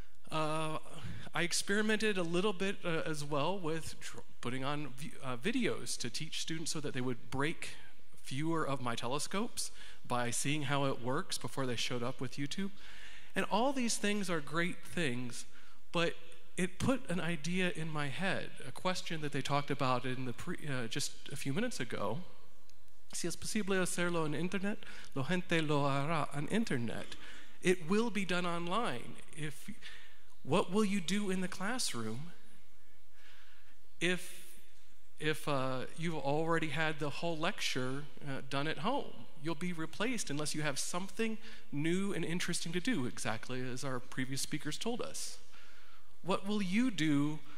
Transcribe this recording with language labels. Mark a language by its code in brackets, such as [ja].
[en] I experimented a little bit as well with putting on videos to teach students so that they would break fewer of my telescopes by seeing how it works before they showed up with YouTube. And all these things are great things, but it put an idea in my head, a question that they talked about in the just a few minutes ago. [es] Si es posible hacerlo en internet, la gente lo hará en internet. [en] It will be done online. What will you do in the classroom if you've already had the whole lecture done at home? You'll be replaced unless you have something new and interesting to do, exactly as our previous speakers told us. What will you do